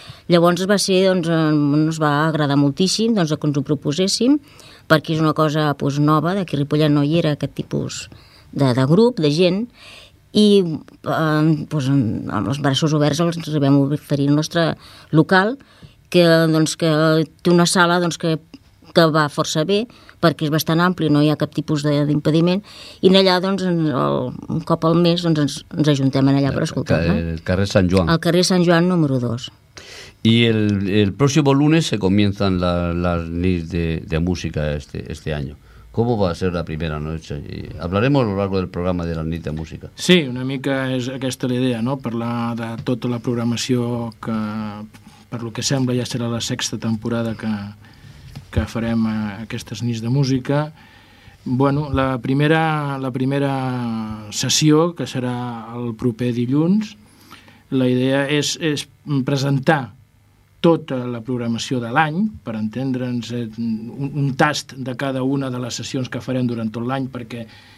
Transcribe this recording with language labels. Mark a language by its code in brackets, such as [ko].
[ca] Llavors va ser, doncs, ens va agradar moltíssim, doncs, que ens ho proposéssim, perquè és una cosa, doncs, nova, d'aquí a Ripollet no hi era aquest tipus de grup, de gent, i doncs, amb els braços oberts els vam oferir el nostre local, que, doncs, que té una sala, doncs, que va força bé, perquè és bastant ampli, no hi ha cap tipus d'impediment, i allà, doncs, un cop al mes, doncs, ens ajuntem allà per escoltar-la. El carrer Sant Joan. El carrer Sant Joan, número 2. I el pròxim [es] lunes se comienzan las nits de música este año. ¿Cómo va a ser la primera noche? Hablaremos a lo largo del programa de la nit de música. [ca] Sí, una mica és aquesta la idea, no? Parlar de tota la programació que, per el que sembla, ja serà la sexta temporada que farem aquestes nits de música. Bueno, la primera sessió, que serà el proper dilluns, la idea és presentar tota la programació de l'any, per entendre'ns, un tast de cada una de les sessions que farem durant tot l'any, perquè